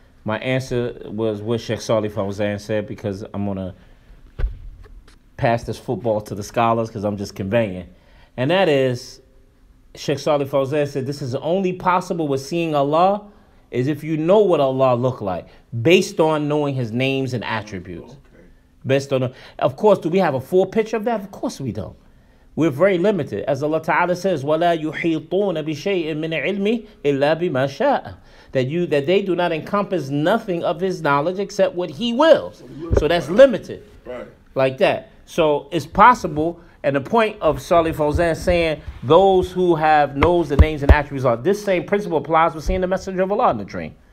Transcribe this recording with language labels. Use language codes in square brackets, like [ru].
[en] My answer was what Sheikh Salih Fawzan said, because I'm going to pass this football to the scholars because I'm just conveying. And that is, Sheikh Salih Fawzan said, this is only possible with seeing Allah is if you know what Allah look like based on knowing his names and attributes. Okay. Based on, of course, do we have a full picture of that? Of course we don't. We're very limited. [ar] As Allah Ta'ala says, وَلَا يُحِيطُونَ بِشَيْءٍ مِنْ عِلْمِ إِلَّا بِمَا شَاءَ. [en] That they do not encompass nothing of his knowledge except what he wills. So that's limited. Right. Like that. So it's possible. And the point of Salih Fawzan saying those who have knows the names and attributes are, this same principle applies with seeing the Messenger of Allah in the dream.